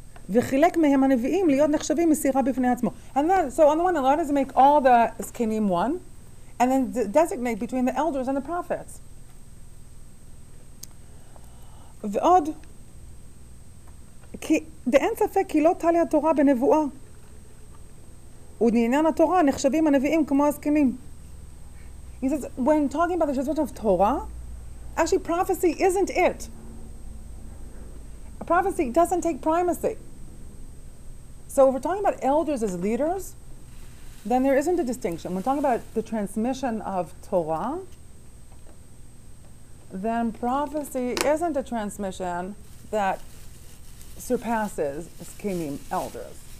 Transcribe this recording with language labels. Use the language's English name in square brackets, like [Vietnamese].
[Hebrew] וחילק מהם הנביאים להיות נחשבים מסירה בפני עצמו. [English] And then, so on the one hand, God has to make all the zkenim one, and then designate between the elders and the prophets. [Hebrew] ועוד, כי, דאין ספק כי לא תליה התורה בנבואה. ודעניין התורה נחשבים הנביאים כמו הזקנים. [English] He says, when talking about the Shazot of Torah, actually prophecy isn't it. A prophecy doesn't take primacy. So if we're talking about elders as leaders, then there isn't a distinction. When we're talking about the transmission of Torah, then prophecy isn't a transmission that surpasses Zkenim, elders.